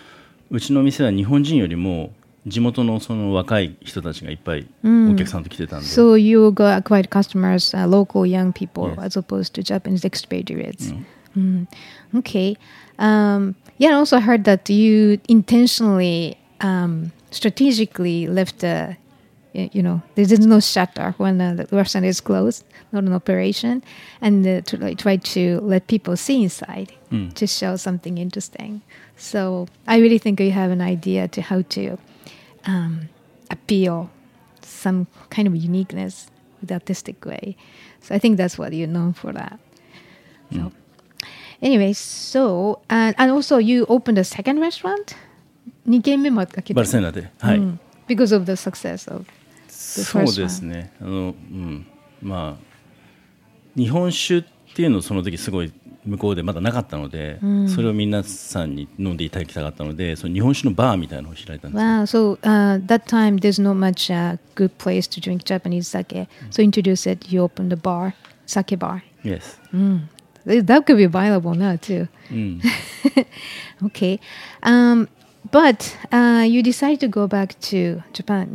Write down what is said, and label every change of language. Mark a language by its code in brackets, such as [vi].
[ja] そうですね、きっと。多分。だから、うちの店は日本人よりも 地元のその若い人たちがいっぱい お客さんと来てたんで [en] So you got acquired customers, local young people yes. as opposed to Japanese expatriates Okay Yeah, I also heard that you intentionally strategically left the you know, there's no shutter when the restaurant is closed not an operation and try to let people see inside to show something interesting So I really think you have an idea to how to appeal some kind of uniqueness with artistic way. So I think that's what you're known for that. So anyway, so and also you opened a second restaurant? [ja] バルセロナで。 [en] Because of the success of the first one. [ja] そうですね。日本酒っていうのをその時すごい 向こうでまだなかったので、それをみんなさんに飲んでいただきたかったので、その日本酒のバーみたいなのを開いたんです。 [en] Wow, so that time there's not much a good place to drink Japanese sake. So introduce it. You opened a bar, sake bar. Yes. That could be available now too. okay. You decided to go back to Japan.